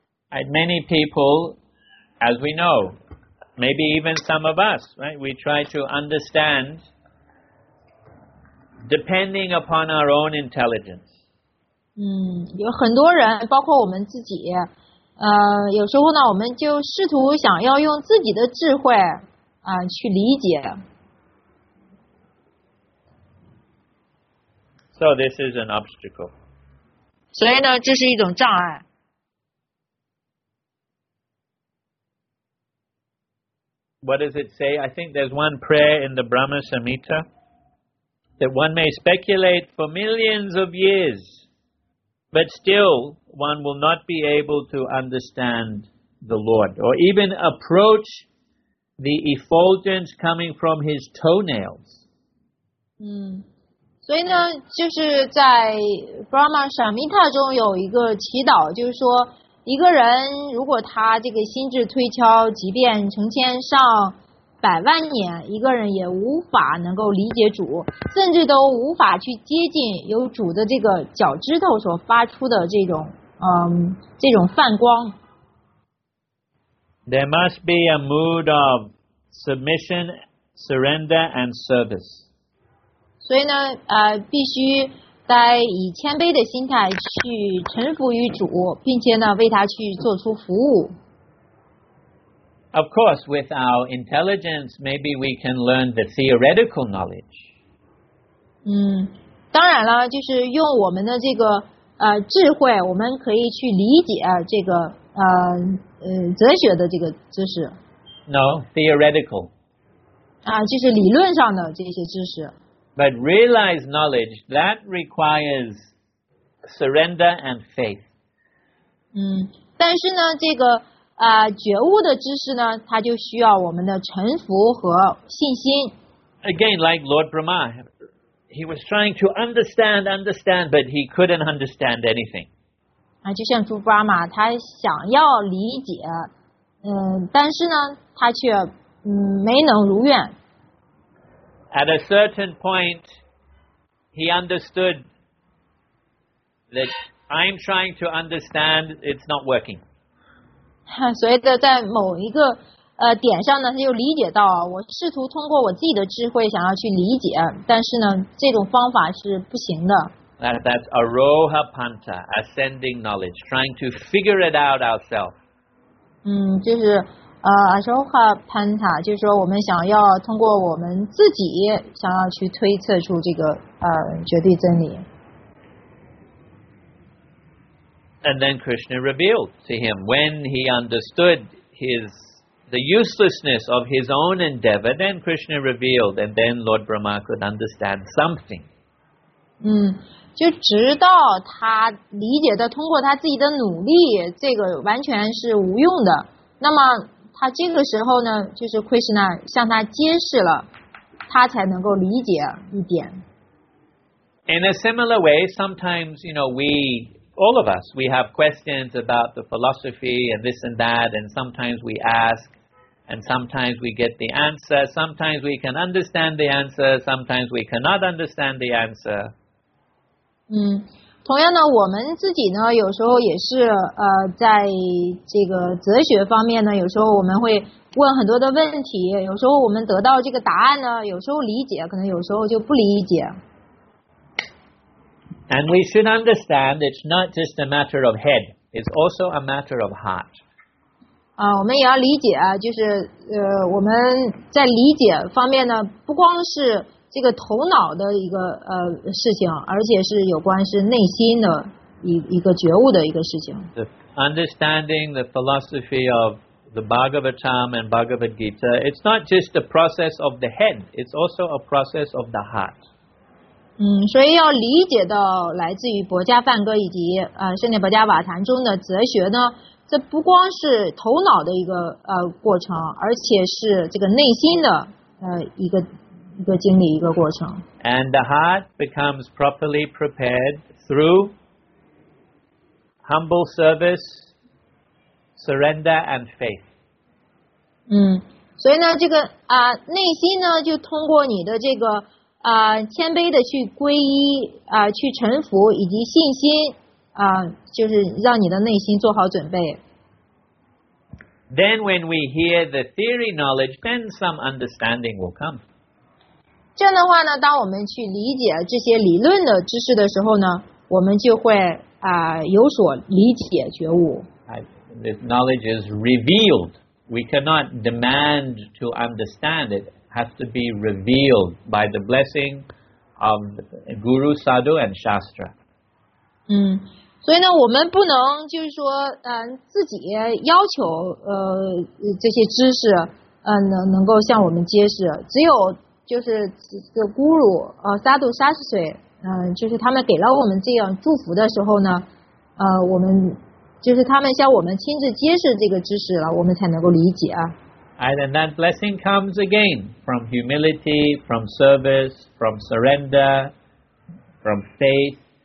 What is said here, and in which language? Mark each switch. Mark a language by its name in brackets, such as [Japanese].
[English] And many people, as we know, maybe even some of us, right? We try to understand depending upon our own intelligence. [Chinese] 有很多人，包括我们自己，有时候呢，我们就试图想要用自己的智慧去理解。 [English] So this is an obstacle. [Chinese] 所以呢，这是一种障碍。 [English] What does it say? I think there's one prayer in the Brahma Samhita that one may speculate for millions of years, but still one will not be able to understand the Lord or even approach the effulgence coming from his toenails. [Chinese] 所以呢，就是在 Brahma Samhita 中有一个祈祷，就是说一个人如果他这个心智推敲，即便成千上百万年，一个人也无法能够理解主，甚至都无法去接近由主的这个脚趾头所发出的这种这种泛光。 [English] There must be a mood of submission, surrender, and service. [Chinese] 所以呢，必须带以谦卑的心态去臣服于主，并且呢，为他去做出服务。 [English] Of course, with our intelligence, maybe we can learn the theoretical knowledge. [Chinese] 当然了，就是用我们的这个智慧，我们可以去理解这个哲学的这个知识。 [English] No, theoretical. [Chinese] 就是理论上的这些知识。 [English] But realized knowledge, that requires surrender and faith. [Chinese] 但是呢，这个觉悟的知识呢，它就需要我们的臣服和信心。 [English] Again, like Lord Brahma, he was trying to understand, but he couldn't understand anything. [Chinese] 就像猪巴马，他想要理解，但是呢，他却没能如愿。 [English] At a certain point, he understood that I'm trying to understand, it's not working. [Chinese] 所以在某一个点上呢，他就理解到，我试图通过我自己的智慧想要去理解，但是呢，这种方法是不行的。 [English] That's aroha panta, ascending knowledge, trying to figure it out ourselves. [Chinese] 就是aroha panta 就是说我们想要通过我们自己想要去推测出这个绝对真理。 [English] And then Krishna revealed to him when he understood the uselessness of his own endeavor, then Krishna revealed, and then Lord Brahma could understand something. [Chinese] 就直到他理解的通过他自己的努力，这个完全是无用的。那么他这个时候呢，就是 Krishna 向他揭示了，他才能够理解一点。 [English] In a similar way, sometimes, you know, all of us, we have questions about the philosophy and this and that, and sometimes we ask, and sometimes we get the answer, sometimes we can understand the answer, sometimes we cannot understand the answer. [Chinese] 同样呢，我们自己呢，有时候也是在这个哲学方面呢，有时候我们会问很多的问题，有时候我们得到这个答案呢，有时候理解，可能有时候就不理解。 [English] And we should understand it's not just a matter of head, it's also a matter of heart. [Chinese] 我们也要理解啊，就是我们在理解方面呢，不光是这个头脑的一个事情，而且是有关是内心的一个觉悟的一个事情。 [English] The understanding the philosophy of the Bhagavatam and Bhagavad Gita, it's not just a process of the head, it's also a process of the heart. [Chinese] 所以要理解到来自于博伽梵歌以及圣殿博伽瓦坛中的哲学呢，这不光是头脑的一个过程，而且是这个内心的一个经历，一个过程。 [English] And the heart becomes properly prepared through humble service, surrender, and faith. [Chinese] 所以呢，这个内心呢，就通过你的这个谦卑的去皈依去臣服，以及信心就是让你的内心做好准备。 [English] Then when we hear the theory knowledge, then some understanding will come. [Chinese] 这样的话呢，当我们去理解这些理论的知识的时候呢，我们就会有所理解觉悟。 [English] The knowledge is revealed. We cannot demand to understand it. It has to be revealed by the blessing of Guru, Sadhu, and Shastra. [Chinese] 所以呢，我们不能就是说自己要求这些知识能够向我们揭示，只有就是这个咕噜萨杜沙士水就是他们给了我们这样祝福的时候呢我们就是他们向我们亲自揭示这个知识了，我们才能够理解啊。 [English] And that blessing comes again from humility, from service, from surrender, from faith.